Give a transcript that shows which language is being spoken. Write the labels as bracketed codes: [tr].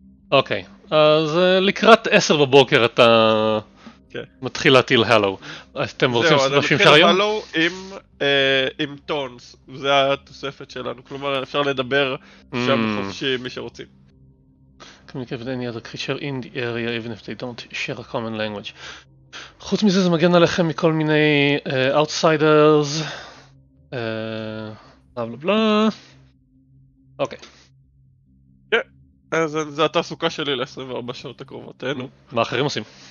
[he] אוקיי, אז לקראת 10 בבוקר אתה... מתחיל להטיל הלו. אתם רוצים משהו אפשר היום? זהו, אז אני מתחיל הלו עם טונס. זה התוספת שלנו. כלומר, אפשר לדבר שם חופשי עם מי שרוצים. [en] Communicate with any other creature in the area, even if they don't share a common language. [he] חוץ מזה, זה מגן עליכם מכל מיני outsiders. בלה בלה בלה. אוקיי. כן, אז זה התעסוקה שלי ל-24 שעות הקרובות. תהנו. מה אחרים עושים?